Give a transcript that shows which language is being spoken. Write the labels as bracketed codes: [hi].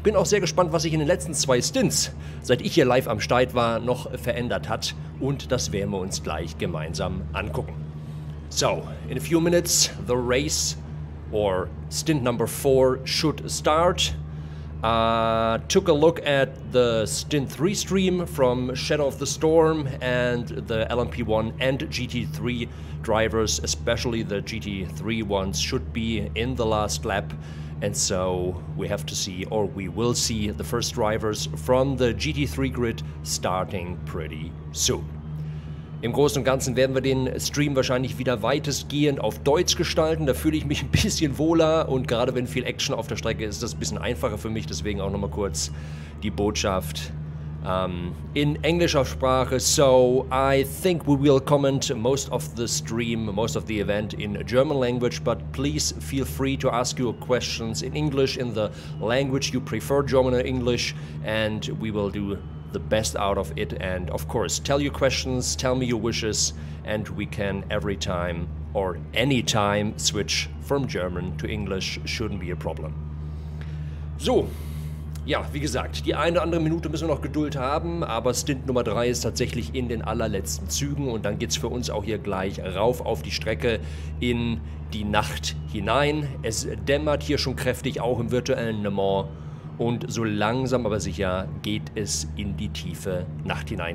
[de] Ich bin auch sehr gespannt, was sich in den letzten 2 Stints, seit ich hier live am Start war, noch verändert hat. Und das werden wir uns gleich gemeinsam angucken. [en] So, in a few minutes, the race or stint number 4 should start. Took a look at the stint 3 stream from Shadow of the Storm and the LMP1 and GT3 drivers, especially the GT3 ones, should be in the last lap. And so we have to see, or we will see, the first drivers from the GT3 grid starting pretty soon. [de] Im Großen und Ganzen werden wir den Stream wahrscheinlich wieder weitestgehend auf Deutsch gestalten. Da fühle ich mich ein bisschen wohler und gerade wenn viel Action auf der Strecke ist, ist das ein bisschen einfacher für mich. Deswegen auch nochmal kurz die Botschaft in englischer Sprache. [en] So, I think we will comment most of the stream, most of the event in German language, but please feel free to ask your questions in English, in the language you prefer, German or English, and we will do the best out of it. And of course, tell your questions, tell me your wishes, and we can every time or any time switch from German to English. Shouldn't be a problem. [de] So, ja, wie gesagt, die eine oder andere Minute müssen wir noch Geduld haben, aber Stint Nummer 3 ist tatsächlich in den allerletzten Zügen und dann geht's für uns auch hier gleich rauf auf die Strecke in die Nacht hinein. Es dämmert hier schon kräftig, auch im virtuellen Le Mans. Und so langsam aber sicher geht es in die tiefe Nacht hinein.